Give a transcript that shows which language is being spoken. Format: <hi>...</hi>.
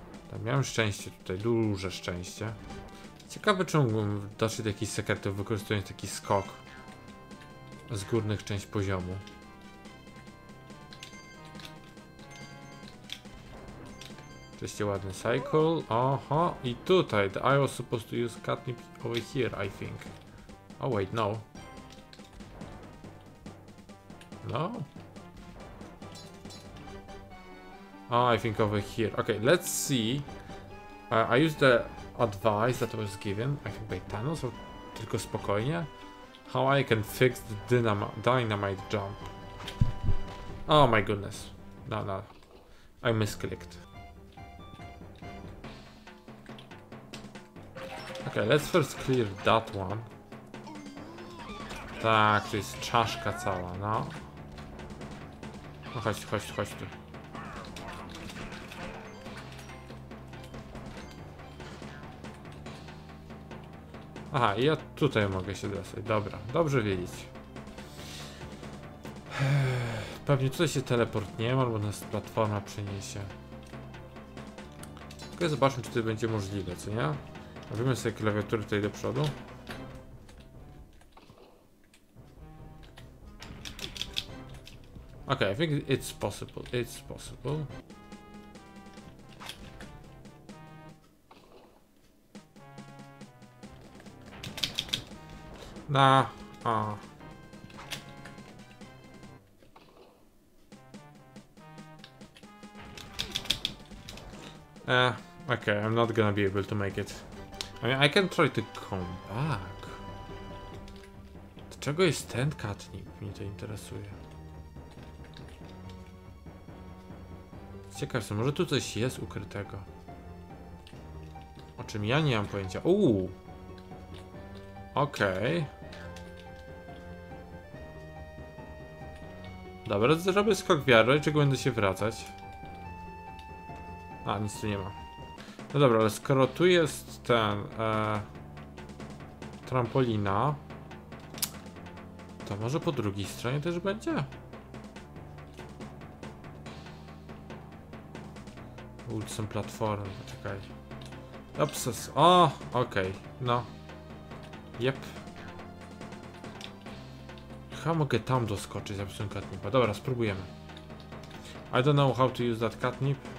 <pl>Tam miałem szczęście tutaj, duże szczęście. Ciekawe, czy mógłbym dotrzeć do jakichś sekretów, wykorzystując taki skok z górnych części poziomu. Oczywiście ładny cycle. Oho, i tutaj.</pl> <en>I was supposed to use catnip over here, I think. Oh, wait, no. No? Oh, I think over here. Okay, let's see. I used the advice that was given, I think by Thanos, or</en> <pl>tylko spokojnie.</pl> <en>How I can fix the dynamite jump. Oh my goodness. No, no. I misclicked. Okay, let's first clear that one.</en> <pl>Tak, to jest czaszka cała, no. No chodź, chodź, chodź tu. Aha, ja tutaj mogę się dostać. Dobra, dobrze wiedzieć. Pewnie tutaj się teleport nie ma, albo nas platforma przeniesie. Tylko zobaczmy, czy to będzie możliwe, co nie? Robimy sobie klawiaturę tutaj do przodu.</pl> <en>Ok, I think it's possible, it's possible. Nah, aww. Okay, I'm not gonna be able to make it. I mean, I can try to come back.</en> <pl>Dlaczego jest ten katnip? Mnie to interesuje. Ciekawe, może tu coś jest ukrytego. O czym ja nie mam pojęcia. Uuu. Okej. Dobra, zrobię skok wiary, czego będę się wracać. A, nic tu nie ma. No dobra, ale skoro tu jest ten... trampolina... to może po drugiej stronie też będzie? Są platformy, poczekaj. Obses. O, okej, okay. No. Jep. Chyba mogę tam doskoczyć, zapisuję katnipa. Dobra, spróbujemy.</pl> <en>I don't know how to use that catnip.</en>